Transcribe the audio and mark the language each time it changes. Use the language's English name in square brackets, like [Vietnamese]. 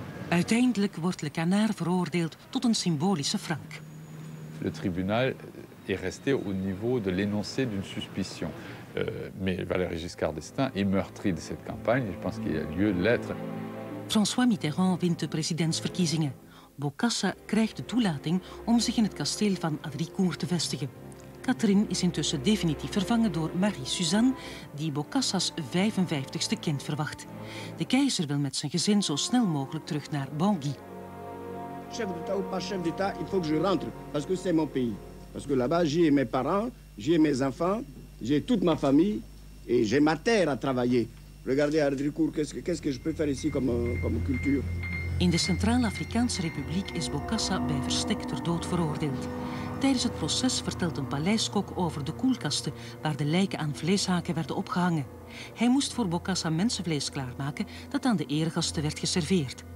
[Dutch] Uiteindelijk wordt Le Canard veroordeeld tot een symbolische frank. [French] Le tribunal est resté au niveau de l'énoncé d'une suspicion. Mais Valéry Giscard d'Estaing est meurtri de cette campagne. Je pense qu'il y a lieu de l'être. [Dutch] François Mitterrand wint de presidentsverkiezingen. Bocassa krijgt de toelating om zich in het kasteel van Adricourt te vestigen. Catherine is intussen definitief vervangen door Marie-Suzanne, die Bocassa's 55ste kind verwacht. De keizer wil met zijn gezin zo snel mogelijk terug naar Bangui. [French] Chef d'État ou pas chef d'État, il faut que je rentre, parce que c'est mon pays. Parce que là-bas, j'ai mes parents, j'ai mes enfants, j'ai toute ma famille et j'ai ma terre à travailler. Regardez Adricourt, qu'est-ce que je peux faire ici comme culture? [Dutch] In de Centraal-Afrikaanse Republiek is Bocassa bij verstek ter dood veroordeeld. Tijdens het proces vertelt een paleiskok over de koelkasten waar de lijken aan vleeshaken werden opgehangen. Hij moest voor Bocassa mensenvlees klaarmaken dat aan de eregasten werd geserveerd.